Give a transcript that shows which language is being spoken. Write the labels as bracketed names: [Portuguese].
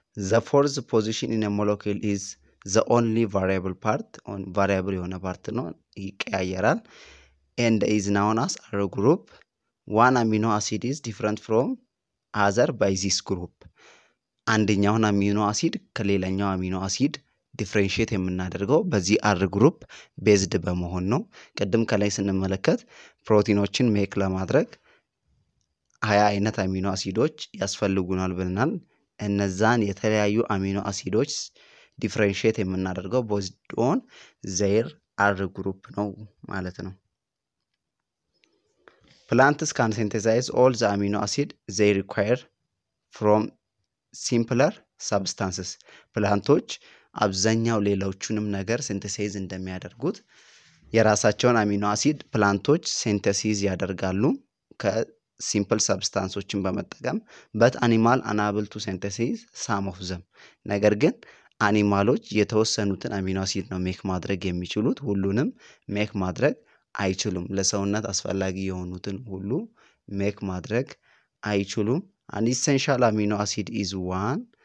[English] the force position in a molecule is the only variable part on variable የሆነ part ነው [Amharic] ይቀያየራል [English] and is known as R group one amino acid is different from other by this group [Amharic] አንደኛው አሚኖ አሲድ ከሌላኛው አሚኖ አሲድ ዲፈረንሺየት የምናደርገው በዚህ R group based በመሆን ነው ቀደም ከላይ ስንመለከት ፕሮቲኖችን ሜክ ለማድረግ 20 አይነት አሚኖ አሲዶች ያስፈልጉናል ብለናል እነዛን የተለያዩ አሚኖ አሲዶች differentiate የምናደርገው [English] based on their R group [Amharic] ነው ማለት ነው [English] Plants can synthesize all the amino acids they require from simpler substances. [Amharic] Plants አብዛኛው ሌሎችንም ነገር ሲንተሳይዝ እንደሚያደርጉት የራሳቸውን አሚኖ አሲድ ፕላንቶች ሲንተሲስ ያደርጋሉ ከሲምፕል ሰብስታንሶችን በመጠቀም [English] but animal unable to synthesize some of them [Amharic] ነገር ግን አኒማሎች የተወሰኑትን አሚኖ አሲድ ነው ሜክ ማድረግ የሚችሉት ሁሉንም ሜክ ማድረግ አይችሉም ለሰውነት አስፈላጊ የሆኑትን ሁሉ ሜክ ማድረግ አይችሉም [English] an essential amino acid is one